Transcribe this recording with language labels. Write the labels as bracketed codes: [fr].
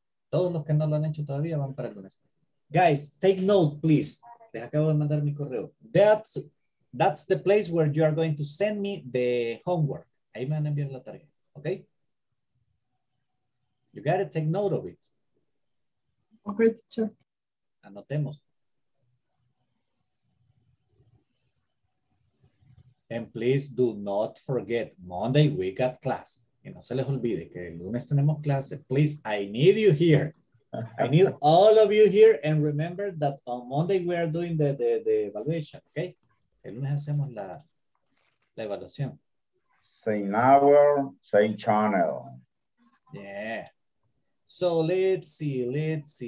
[es] Todos los que no lo han hecho todavía van para el lunes. [en] Guys, take note, please. [es] Les acabo de mandar mi correo. [en] That's the place where you are going to send me the homework. [es] Ahí me van a enviar la tarea. Okay? [en] You got to take note of it. Okay, teacher. [es] Anotemos. [en] And please do not forget, Monday we got class. [es] Y no se les olvide que el lunes tenemos clase. [en] Please, I need you here. I need all of you here. And remember that on Monday we are doing the evaluation, okay? [es] El lunes hacemos la evaluación. [en] Same hour, same channel. Yeah. So let's see.